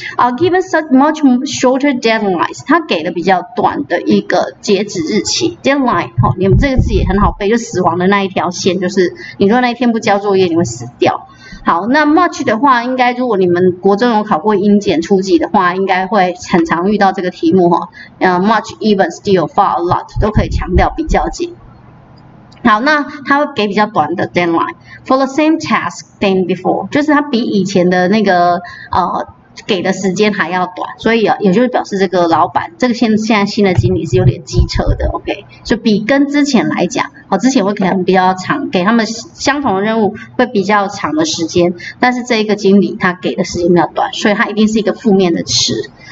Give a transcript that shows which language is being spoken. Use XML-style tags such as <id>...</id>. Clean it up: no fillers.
<en>Given such much shorter deadlines，</en> <zh>他给了比较短的一个截止日期 deadline，哦，你们这个字也很好背，就死亡的那一条线，就是你说那一天不交作业你会死掉。好，那 much 的话，应该如果你们国中有考过英检初级的话，应该会很常遇到这个题目哈。</zh> <en>Much, even, still, far, a lot</en> <zh>都可以强调比较级。好，那他会给比较短的</zh> <en>deadline for the same task than before，</en> <zh>就是他比以前的那个给的时间还要短，所以啊，也就是表示这个老板，这个现在新的经理是有点机车的 ，OK， 就比跟之前来讲，哦，之前会可能比较长，给他们相同的任务会比较长的时间，但是这一个经理他给的时间比较短，所以他一定是一个负面的词。</zh>